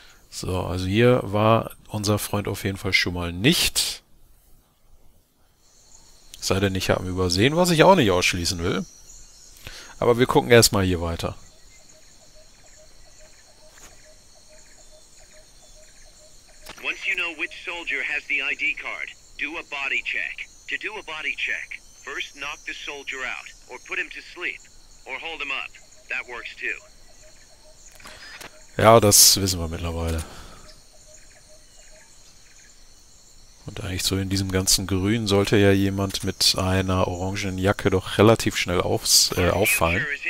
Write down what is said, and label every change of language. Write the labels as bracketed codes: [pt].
[de] So, also hier war unser Freund auf jeden Fall schon mal nicht. Sei denn, ich habe ihn übersehen, was ich auch nicht ausschließen will. Aber wir gucken erstmal hier weiter. [en] Once you know which soldier has the ID card, do a body check. To do a body check, first knock the soldier out, or put him to sleep, or hold him up. That works too. [de] Ja, das wissen wir mittlerweile. Und eigentlich so in diesem ganzen Grün sollte ja jemand mit einer orangenen Jacke doch relativ schnell auffallen.